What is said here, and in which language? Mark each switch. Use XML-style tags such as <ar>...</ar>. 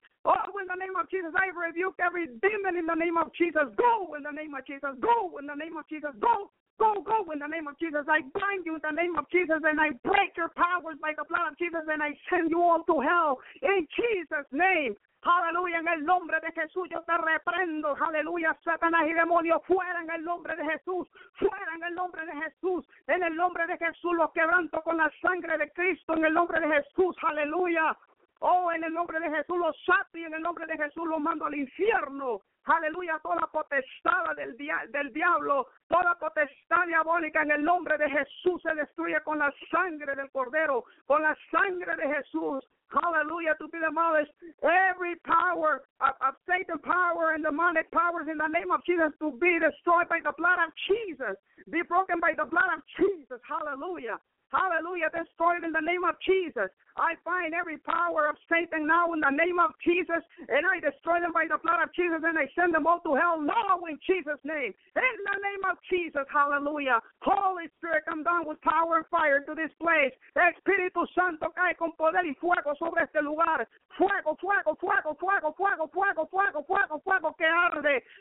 <en>Oh, in the name of Jesus, I rebuke every demon in the name of Jesus. Go in the name of Jesus. Go in the name of Jesus. Go, go, go in the name of Jesus. I bind you in the name of Jesus, and I break your powers by the blood of Jesus, and I send you all to hell in Jesus' name.</en> <es>Hallelujah, en el nombre de Jesús yo te reprendo. Hallelujah, Satanás y demonios, fuera en el nombre de Jesús. Fuera en el nombre de Jesús. En el nombre de Jesús los quebranto con la sangre de Cristo. En el nombre de Jesús, hallelujah. Oh, en el nombre de Jesús los saco y en el nombre de Jesús los mando al infierno. Hallelujah, toda potestad del diablo, toda potestad diabólica en el nombre de Jesús se destruye con la sangre del Cordero, con la sangre de Jesús.</es> <en>Hallelujah, to be demolished. Every power of Satan power and demonic powers in the name of Jesus to be destroyed by the blood of Jesus. Be broken by the blood of Jesus. Hallelujah. Hallelujah, destroyed in the name of Jesus. I find every power of Satan now in the name of Jesus, and I destroy them by the blood of Jesus, and I send them all to hell now in Jesus' name. In the name of Jesus, hallelujah. Holy Spirit, come down with power and fire to this place.</en> <es>Espíritu Santo, cae con poder y fuego sobre este lugar. Fuego, fuego, fuego, fuego, fuego, fuego, fuego, fuego, fuego que arde.</es>